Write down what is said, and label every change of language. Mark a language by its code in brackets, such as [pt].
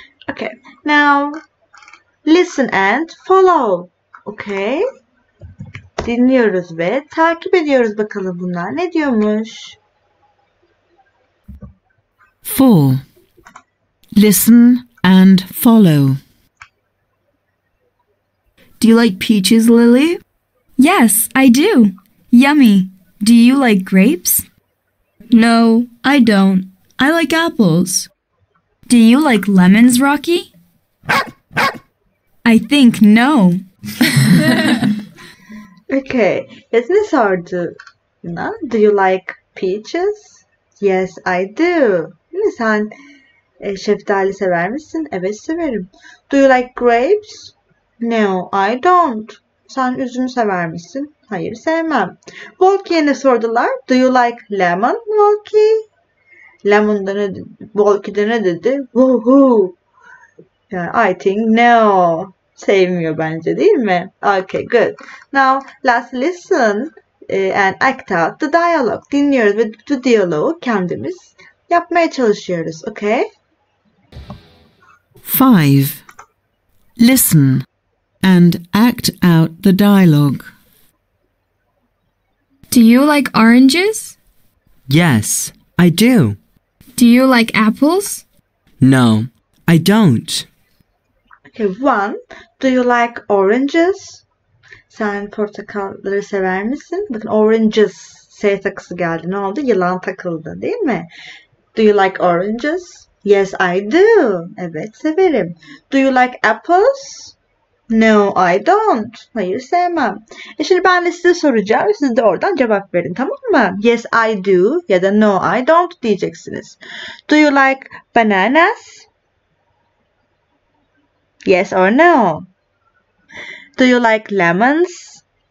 [en] Okay, now listen and follow. Okay. [tr] Dinliyoruz ve takip ediyoruz bakalım bunlar ne diyormuş. [en] 4. Listen and follow. Do you like peaches, Lily? Yes, I do. Yummy. Do you like grapes? No, I don't. I like apples. Do you like lemons, Rocky? I think no. Okay, [tr] ne sordu? [en] Do you like peaches? Yes, I do. [tr] Sen şeftali sever misin? Evet, severim. [en] Do you like grapes? No, I don't. [tr] Sen üzümü sever misin? Hayır, sevmem. Volki'ye ne sordular? [en] Do you like lemon, Volki? [tr] Lemon'da ne dedi? Volki'de ne dedi? Woohoo! Yani, [en] I think no. [tr] Sevmiyor bence, değil mi? [en] Okay, good. Now, let's listen and act out the dialogue. [tr] Dinliyoruz ve bu diyaloğu kendimiz yapmaya çalışıyoruz, okay? 5. [en] Listen and act out the dialogue. Do you like oranges? Yes, I do. Do you like apples? No, I don't. Okay, 1. Do you like oranges? [tr] Sen portakalları sever misin? Bakın, oranges. S takısı geldi. Ne oldu? Yılan takıldı, değil mi? [en] Do you like oranges? Yes, I do. [tr] Evet, severim. [en] Do you like apples? No, I don't. [tr] Hayır, sevmem. Şimdi ben de size soracağım. Siz de oradan cevap verin, tamam mı? [en] Yes, I do. [tr] Ya da [en] no, I don't [tr] diyeceksiniz. [en] Do you like bananas? Yes or no? Do you like lemons?